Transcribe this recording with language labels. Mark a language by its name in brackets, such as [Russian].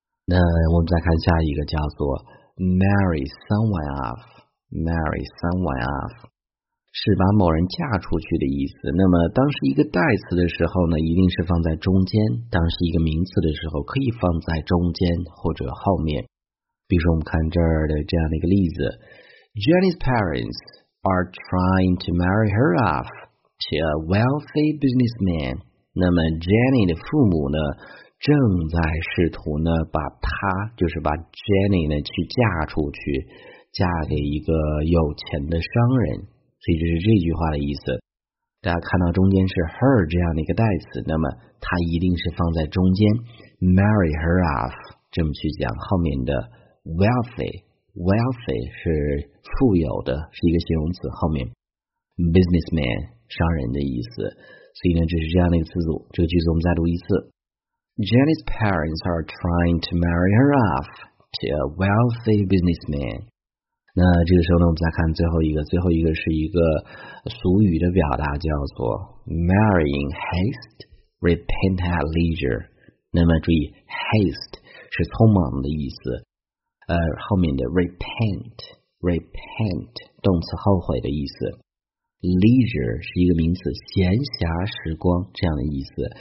[Chinese] 那我们再看下一个，叫做Marry someone off， marry someone off 是把某人嫁出去的意思。那么当是一个代词的时候呢，一定是放在中间，当是一个名词的时候可以放在中间或者后面。比如说我们看这儿的这样的一个例子， [English] Jenny's parents are trying to marry her off to a wealthy businessman。 [Chinese] 那么 Jenny 的父母呢正在试图呢把她，就是把 Jenny 呢去嫁出去，嫁给一个有钱的商人，所以这是这句话的意思。大家看到中间是 her 这样的一个代词，那么它一定是放在中间 marry her off 这么去讲。后面的 wealthy， wealthy 是富有的，是一个形容词，后面 businessman 商人的意思，所以呢这是这样的一个词组。这个句子我们再读一次， [English] Jenny's parents are trying to marry her off to a wealthy businessman。 [Chinese] 那这个时候呢，我们再看最后一个，最后一个是一个俗语的表达，叫做 [English] marry in haste repent at leisure。 [Chinese] 那么注意 haste 是匆忙的意思，后面的 repent， repent 动词后悔的意思， leisure 是一个名词，闲暇时光这样的意思。